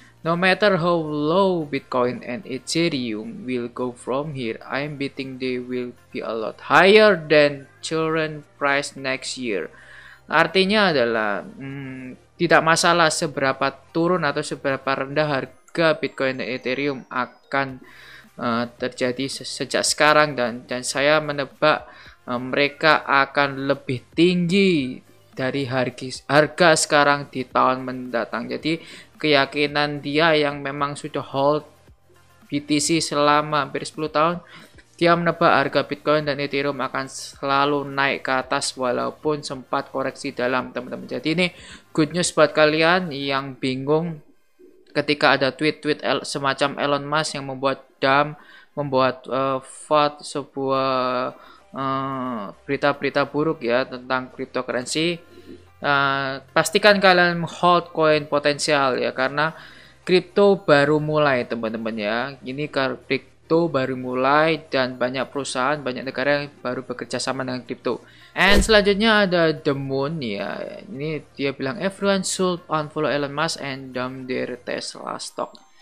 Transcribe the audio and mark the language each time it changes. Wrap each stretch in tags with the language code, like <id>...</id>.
<en>No matter how low Bitcoin and Ethereum will go from here, I'm betting they will be a lot higher than current price next year.</en> <id>Artinya adalah tidak masalah seberapa turun atau seberapa rendah harga Bitcoin dan Ethereum akan terjadi sejak sekarang, dan saya menebak mereka akan lebih tinggi dari harga sekarang di tahun mendatang. Jadi keyakinan dia yang memang sudah hold BTC selama hampir 10 tahun, dia menebak harga Bitcoin dan Ethereum akan selalu naik ke atas walaupun sempat koreksi dalam, teman-teman. Jadi ini good news buat kalian yang bingung ketika ada tweet-tweet semacam Elon Musk yang membuat dam, membuat FUD, sebuah berita-berita buruk ya tentang cryptocurrency. Pastikan kalian hold koin potensial ya, karena kripto baru mulai, teman-teman ya. Ini kripto baru mulai dan banyak perusahaan, banyak negara yang baru bekerja sama dengan kripto. And selanjutnya ada The Moon ya. Ini dia bilang</id> <en>everyone should unfollow Elon Musk and dump their Tesla stock.</en>